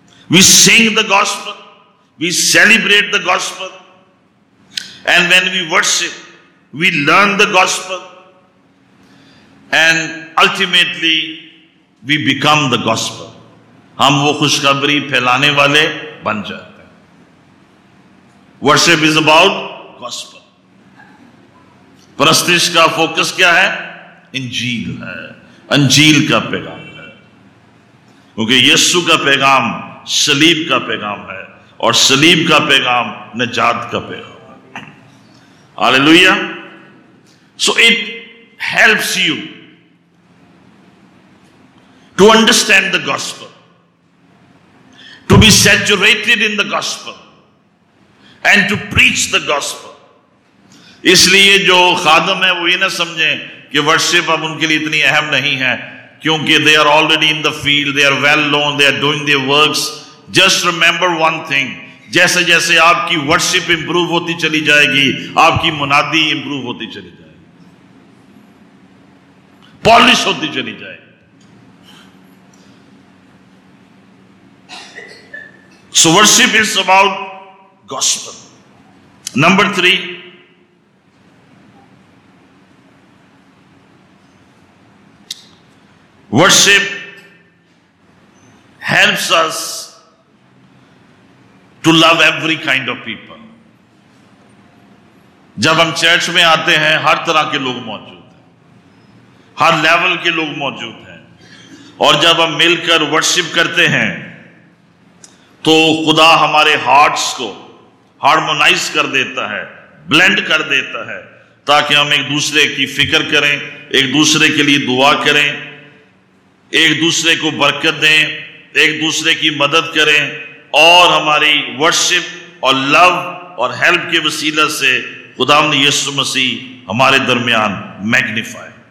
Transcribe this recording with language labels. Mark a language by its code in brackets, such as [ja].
[en] We sing the gospel, we celebrate the gospel, and when we worship we learn the gospel, and ultimately we become the gospel. [ur] ہم وہ خوشخبری پھیلانے والے بن جاتے ہیں. [en] Worship is about gospel. [ur] پرستش کا فوکس کیا ہے؟ انجیل ہے، انجیل کا پیغام ہے، کیونکہ یسو کا پیغام صلیب کا پیغام ہے، اور صلیب کا پیغام نجات کا پیغام ہے. ہللویا. [en] So it helps you to understand the gospel, to be saturated in the gospel, and to preach the gospel. [ur] اس لیے جو خادم ہیں وہ یہ نہ سمجھیں کہ ورشپ اب ان کے لیے اتنی اہم نہیں ہے، کیونکہ [en] They are already in the field, they are well known, they are doing their works. Just remember one thing, [ur] جیسے جیسے آپ کی ورشپ امپروو ہوتی چلی جائے گی، آپ کی منادی امپروو ہوتی چلی جائے گی، پالش ہوتی چلی جائے گی. [en] So worship is about gospel. Number three, worship helps us to love every kind of people. [ur] جب ہم چرچ میں آتے ہیں ہر طرح کے لوگ موجود ہیں، ہر لیول کے لوگ موجود ہیں، اور جب ہم مل کر ورشپ کرتے ہیں تو خدا ہمارے ہارٹس کو ہارمونائز کر دیتا ہے، بلینڈ کر دیتا ہے، تاکہ ہم ایک دوسرے کی فکر کریں، ایک دوسرے کے لیے دعا کریں، ایک دوسرے کو برکت دیں، ایک دوسرے کی مدد کریں، اور ہماری ورشپ اور لو اور ہیلپ کے وسیلہ سے خدا نے یسوع مسیح ہمارے درمیان میگنیفائی.